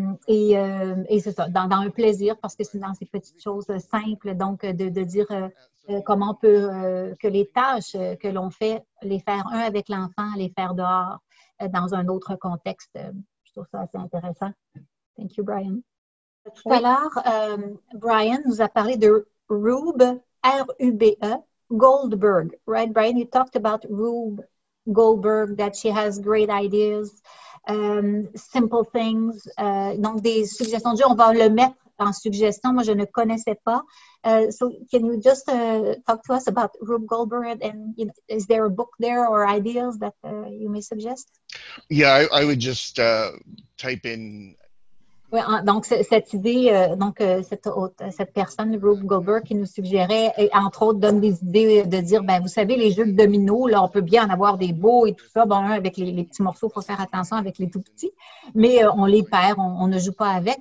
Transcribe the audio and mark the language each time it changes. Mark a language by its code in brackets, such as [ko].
[fr] Et c'est ça, dans un plaisir, parce que c'est dans ces petites choses simples, donc de dire comment on peut que les tâches que l'on fait, les faire un avec l'enfant, les faire dehors, dans un autre contexte. Je trouve ça assez intéressant. [en] Thank you, Brian. [fr] Tout à l'heure, Brian nous a parlé de Rube, R-U-B-E, Goldberg. [en] Right, Brian, you talked about Rube Goldberg, that she has great ideas, simple things. [fr] Donc, des suggestions de jeu, on va le mettre en suggestion. Moi, je ne connaissais pas. [en] So, can you just talk to us about Rube Goldberg and is there a book there or ideas that you may suggest? Yeah, I would just type in [fr] Oui, donc cette idée, donc cette personne, Rube Goldberg, qui nous suggérait, et entre autres, donne des idées de dire, ben vous savez, les jeux de domino, là, on peut bien en avoir des beaux et tout ça. Bon, avec les petits morceaux, il faut faire attention avec les tout petits, mais on les perd, on ne joue pas avec.